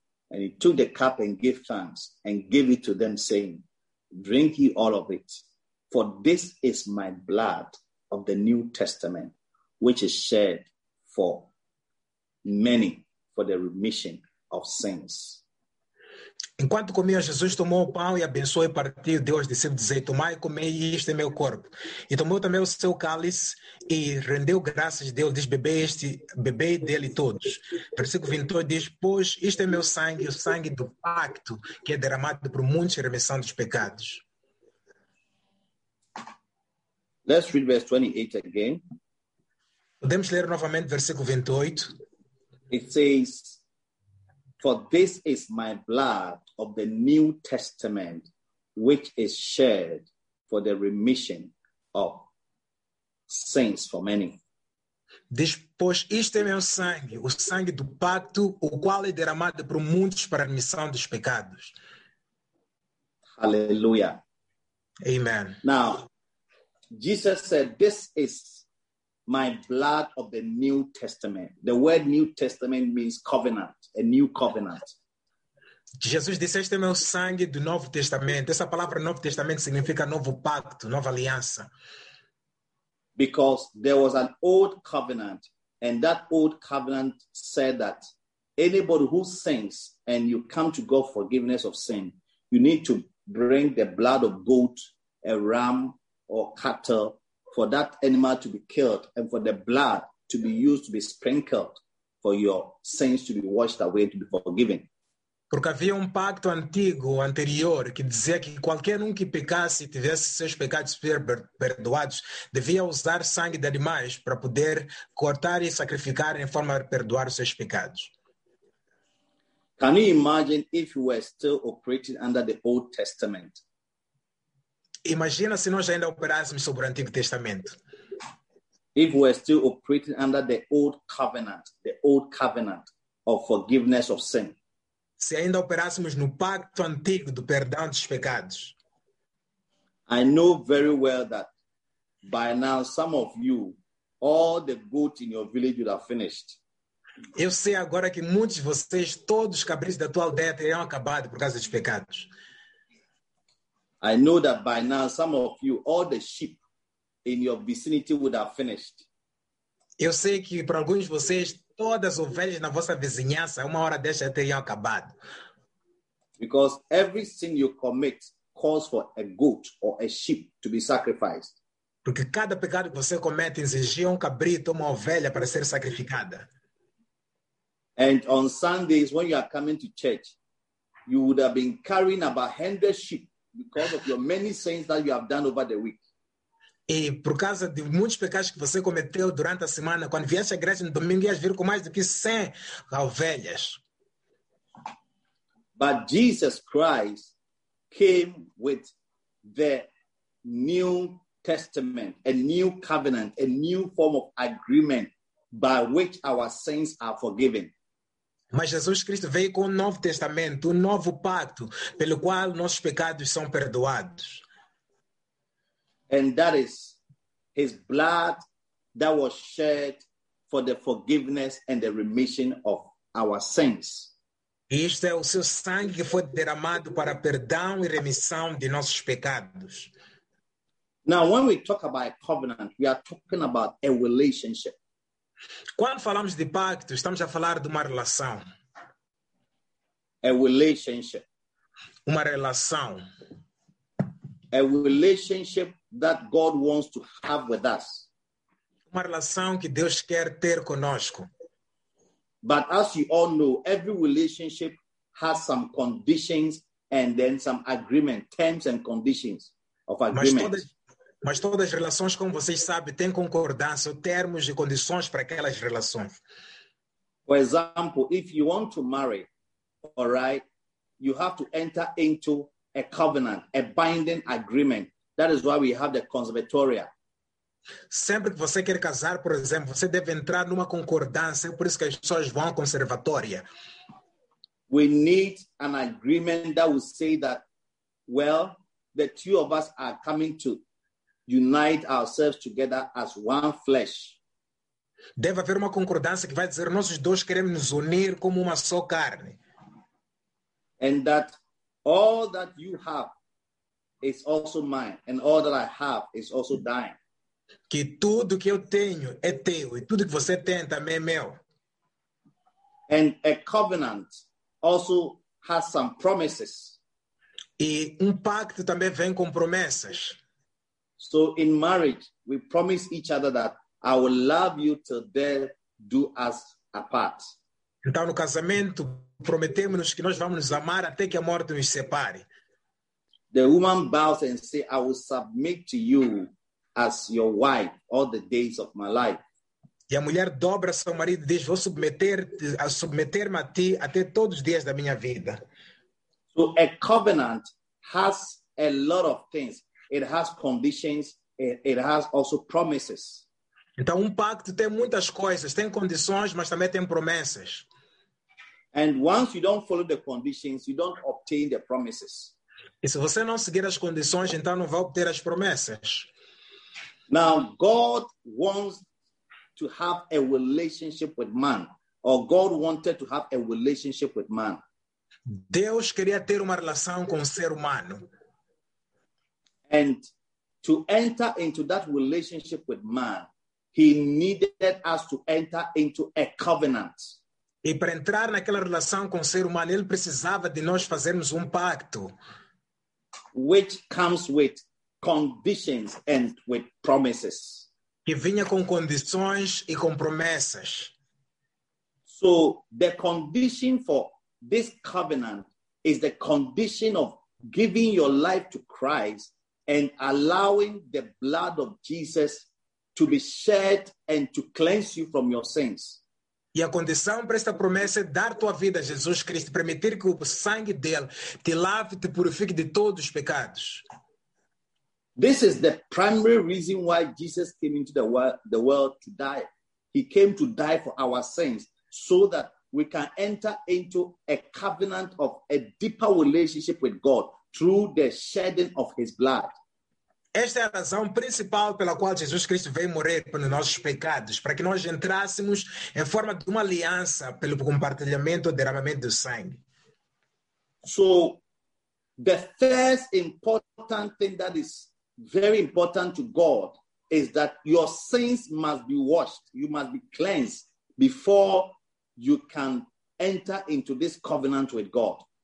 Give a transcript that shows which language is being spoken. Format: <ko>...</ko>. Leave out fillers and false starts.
<en>And he took the cup and gave thanks and gave it to them saying, drink ye all of it, for this is my blood of the New Testament, which is shed for many for the remission of sins.</en> <pt>Enquanto comia, Jesus tomou o pão e abençoou e partiu, deu aos discípulos, dizendo, tomai e comei, isto é meu corpo. E tomou também o seu cálice e rendeu graças a Deus, diz, bebei dele todos. Versículo 28 diz, pois isto é meu sangue, o sangue do pacto, que é derramado por muitos em remissão dos pecados.</pt> <en>Let's read verse 28 again.</en> <pt>Podemos ler novamente versículo 28.</pt> <en>It says, for this is my blood of the New Testament, which is shed for the remission of sins for many.</en> <pt>Diz, pois isto é meu sangue, o sangue do pacto, o qual é derramado por muitos para a remissão dos pecados.</pt> <en>Hallelujah. Amen. Now, Jesus said, this is my blood of the New Testament. The word New Testament means covenant, a new covenant.</en> <pt>Jesus disse, este é meu sangue do Novo Testamento. Essa palavra Novo Testamento significa novo pacto, nova aliança.</pt> <en>Because there was an old covenant And that old covenant said that anybody who sins and you come to God for forgiveness of sin, you need to bring the blood of goat, a ram, or cattle for that animal to be killed and for the blood to be used to be sprinkled for your sins to be washed away, to be forgiven.</en> <pt>Porque havia pacto antigo, anterior, que dizia que qualquer que pecasse e tivesse seus pecados perdoados, devia usar sangue de animais para poder cortar e sacrificar em forma de perdoar os seus pecados.</pt> <en>Can you imagine if you were still operating under the Old Testament?</en> <pt>Imagina se nós ainda operássemos sobre o Antigo Testamento.</pt> <en>If we were still operating under the Old Covenant of forgiveness of sin.</en> <pt>Se ainda operássemos no pacto antigo do perdão dos pecados.</pt> <en>I know very well that by now some of you, all the goat in your village would have finished.</en> <pt>Eu sei agora que muitos de vocês, todos os cabritos da tua aldeia teriam acabado por causa dos pecados.</pt> <en>I know that by now some of you, all the sheep in your vicinity would have finished.</en> <pt>Eu sei que para alguns de vocês, todas as ovelhas na vossa vizinhança, uma hora dessa teriam acabado.</pt> <en>Because every sin you commit calls for a goat or a sheep to be sacrificed.</en> <pt>Porque cada pecado que você comete exigia cabrito ou uma ovelha para ser sacrificada.</pt> <en>And on Sundays, when you are coming to church, you would have been carrying about 100 sheep because of your many sins that you have done over the week.</en> <pt>E por causa de muitos pecados que você cometeu durante a semana, quando viesse à igreja no domingo, ias vir com mais do que 100 ovelhas.</pt> <en>But Jesus Christ came with the New Testament, a new covenant, a new form of agreement by which our sins are forgiven.</en> <pt>Mas Jesus Cristo veio com o Novo Testamento, um novo pacto, pelo qual nossos pecados são perdoados.</pt> <en>And that is his blood that was shed for the forgiveness and the remission of our sins.</en> <pt>Isto é o seu sangue que foi derramado para perdão e remissão de nossos pecados.</pt> <en>Now, when we talk about a covenant, we are talking about a relationship.</en> <pt>Quando falamos de pacto, estamos a falar de uma relação.</pt> <en>A relationship.</en> <pt>Uma relação.</pt> <en>A relationship that God wants to have with us.</en> <pt>Uma relação que Deus quer ter conosco.</pt> <en>But as you all know, every relationship has some conditions and then some agreement, terms and conditions of agreement.</en> <pt>Mas todas as relações, como vocês sabem, têm concordância, termos e condições para aquelas relações.</pt> <en>For example, if you want to marry, all right, you have to enter into a covenant, a binding agreement. That is why we have the conservatoria.</en> <pt>Sempre que você quer casar, por exemplo, você deve entrar numa concordância, por isso que as pessoas vão à conservatória.</pt> <en>We need an agreement that will say that, well, the two of us are coming to unite ourselves together as one flesh.</en> <pt>Deve haver uma concordância que vai dizer nós dois queremos nos unir como uma só carne.</pt> <en>And that all that you have is also mine, and all that I have is also thine.</en> <pt>Que tudo que eu tenho é teu, e tudo que você tem também é meu.</pt> <en>And a covenant also has some promises.</en> <pt>E pacto também vem com promessas.</pt> <en>So in marriage, we promise each other that I will love you till death do us apart.</en> <pt>Então no casamento, prometemos que nós vamos nos amar até que a morte nos separe.</pt> <en>The woman bows and says, I will submit to you as your wife all the days of my life.</en> <pt>E a mulher dobra seu marido e diz, vou submeter-me a ti até todos os dias da minha vida.</pt> <en>So a covenant has a lot of things. It has conditions, it has also promises.</en> <pt>Então pacto tem muitas coisas, tem condições, mas também tem promessas.</pt> <en>And once you don't follow the conditions, you don't obtain the promises.</en> <pt>E se você não seguir as condições, então não vai obter as promessas.</pt> <en>Now, God wants to have a relationship with man. Or God wanted to have a relationship with man.</en> <pt>Deus queria ter uma relação com o ser humano.</pt> <en>And to enter into that relationship with man, He needed us to enter into a covenant.</en> <pt>E para entrar naquela relação com o ser humano, ele precisava de nós fazermos pacto.</pt> <en>Which comes with conditions and with promises.</en> <pt>Que vinha com condições e com promessas.</pt> <en>So the condition for this covenant is the condition of giving your life to Christ and allowing the blood of Jesus to be shed and to cleanse you from your sins.</en> <pt>E a condição para esta promessa é dar tua vida a Jesus Cristo, permitir que o sangue dele te lave e te purifique de todos os pecados.</pt> <en>This is the primary reason why Jesus came into the world to die. He came to die for our sins so that we can enter into a covenant of a deeper relationship with God through the shedding of his blood.</en> <pt>Esta é a razão principal pela qual Jesus Cristo veio morrer pelos nossos pecados, para que nós entrássemos em forma de uma aliança pelo compartilhamento ou derramamento do sangue.</pt> <en>So, the first important thing that is very important to God is that your sins must be washed, you must be cleansed before you can enter into this covenant with God.</en>